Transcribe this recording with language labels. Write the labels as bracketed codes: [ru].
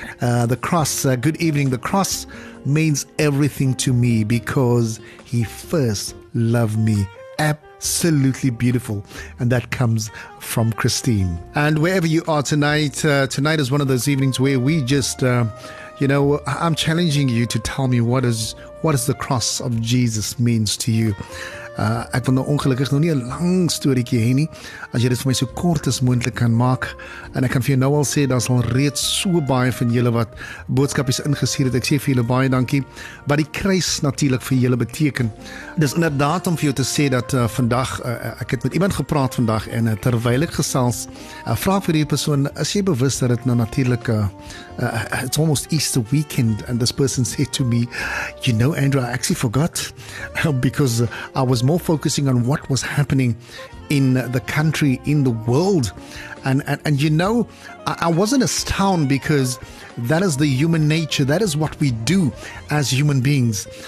[en] The cross, good evening. The cross means everything to me because he first loved me. Absolutely beautiful. And that comes from Christine. And wherever you are tonight, tonight is one of those evenings where we just, you know, I'm challenging you to tell me what is the cross of Jesus means to you. [af] Ek wil nou ongelukkig nog nie 'n lang storieetjie hê nie. As jy dit vir my so kort as moontlik kan maak, en ek kan vir jou nou al sê, daar's al reeds so baie van julle wat boodskapies ingestuur het. Ek sê vir julle baie dankie. Wat die kruis natuurlik vir julle beteken. Dis inderdaad om vir jou te sê dat vandag, ek het met iemand gepraat vandag, en terwyl ek gesels, vraag vir die persoon, is jy bewus dat dit nou natuurlik, [en] it's almost Easter weekend, and this person said to me, "You know, Andrew, I actually forgot, because I was more focusing on what was happening in the country, in the world, and you know, I wasn't astounded, because that is the human nature, that is what we do as human beings.